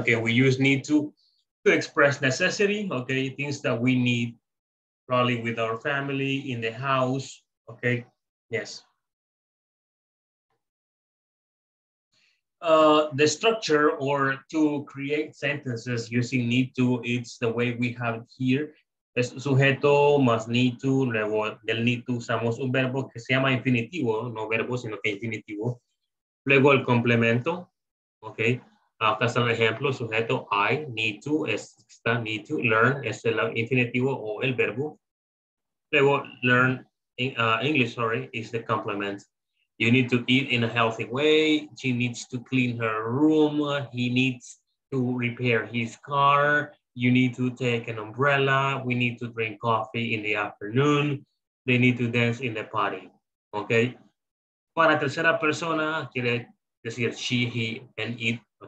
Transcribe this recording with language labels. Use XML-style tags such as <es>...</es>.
<en>Okay, we use need to express necessity, okay, things that we need probably with our family in the house, okay, yes. The structure or to create sentences using need to, it's the way we have here.</en> <es>Es sujeto más need to, luego del need to usamos un verbo que se llama infinitivo, no verbo, sino que infinitivo. Luego el complemento, okay. Acá está el ejemplo, sujeto I, need to, está need to, learn, es el infinitivo o el verbo.</es> <en>Luego learn English, sorry, is the complement. You need to eat in a healthy way. She needs to clean her room. He needs to repair his car. You need to take an umbrella. We need to drink coffee in the afternoon. They need to dance in the party. Okay.</en> <es>Para tercera persona, quiere decir</es> <en>she, he, and it.</en>